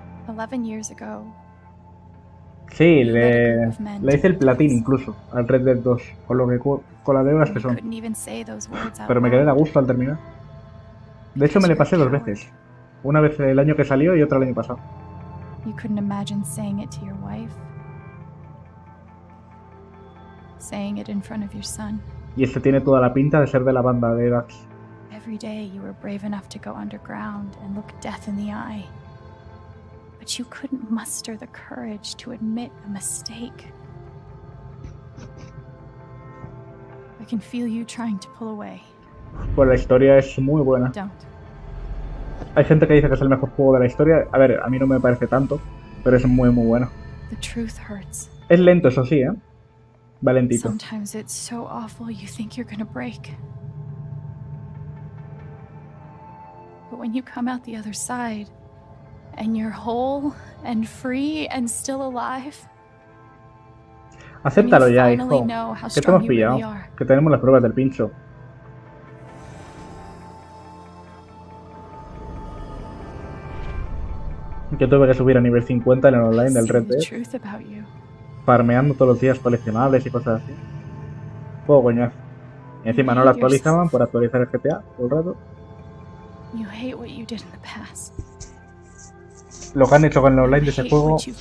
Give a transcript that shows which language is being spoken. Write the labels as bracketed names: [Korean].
[English] 11 years ago. [Spanish] Sí, le hice el platín incluso al Red Dead 2, con las deudas que son. Pero me quedé de gusto al terminar. De hecho, me le pasé dos veces. Una vez el año que salió y otra el año pasado. [English] You couldn't imagine saying it to your wife. Saying it in front of your son. [Spanish] Y este tiene toda la pinta de ser de la banda de Dax. [English] Every day you were brave enough to go underground and look death in the eye. But you couldn't muster the courage to admit a mistake. I can feel you trying to pull away. [Spanish] Pues la historia es muy buena. [English] Don't. [Spanish] Hay gente que dice que es el mejor juego de la historia. A ver, a mí no me parece tanto, pero es muy muy bueno. [English] The truth hurts. [Spanish] Es lento, eso sí, ¿eh? Va lentito. [English] Sometimes it's so awful you think you're gonna break. But when you come out the other side, and you're whole and free and still alive. [Spanish] Acéptalo ya, hijo. Que te hemos pillado. Que tenemos las pruebas del pincho. Yo tuve que subir a nivel 50 en el online del Red Dead. Farmeando todos los días coleccionables y cosas así. Juego coñaz. Y encima no lo actualizaban por actualizar el GTA todo el rato. [English] You hate what you did in the past. [Spanish] Lo que han hecho con el online de ese juego.